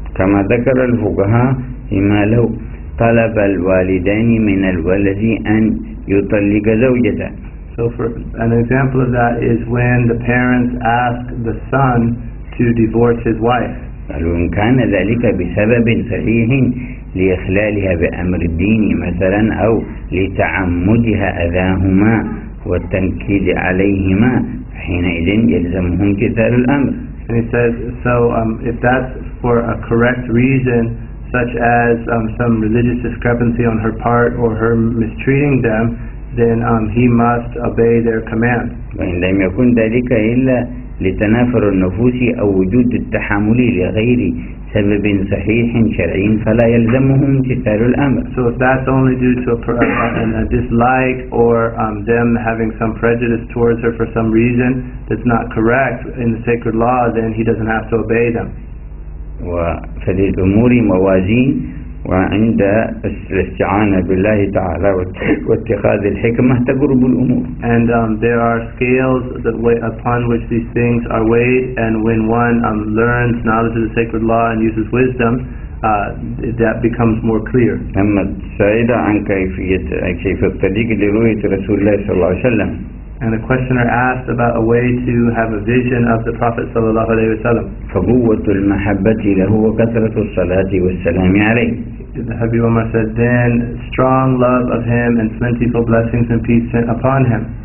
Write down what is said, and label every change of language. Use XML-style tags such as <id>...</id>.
<ar>كما ذكر الفقهاء فيما لو طلب الوالدان من الولد أن يطلق زوجته.</ar> <en>So for an example of that is when the parents ask the son to divorce his wife.</en> <ar>قالوا إن كان ذلك بسبب صحيح لإخلالها بأمر الدين مثلا أو لتعمدها أذاهما والتنكيد عليهما حينئذ يلزمهم كثار الأمر.</ar> <en>And he says, so if that's for a correct reason, such as some religious discrepancy on her part or her mistreating them, then he must obey their command.</en> <ar>وإن لم يكن ذلك إلا لتنافر النفوس أو وجود التحامل لغير سبب صحيح شرعي فلا يلزمهم كثار الأمر.</ar> <en>So if that's only due to a dislike or them having some prejudice towards her for some reason that's not correct in the sacred law, then he doesn't have to obey them.</en> <ar>وفي الأمور موازين وعند الاستعانة بالله تعالى واتخاذ الحكمة تقرب الأمور.</ar> <en>And there are scales that way upon which these things are weighed, and when one learns knowledge of the sacred law and uses wisdom, that becomes more clear.</en> <ar>أما السائلة عن كيف الطريق لرؤية رسول الله صلى الله عليه وسلم.</ar> <en>And the questioner asked about a way to have a vision of the Prophet</en> <ar>صلى الله عليه وسلم. فقوة المحبة له وكثرة الصلاة والسلام عليه.</ar> <en>The Habib Umar said, then strong love of him and plentiful blessings and peace sent upon him.</en>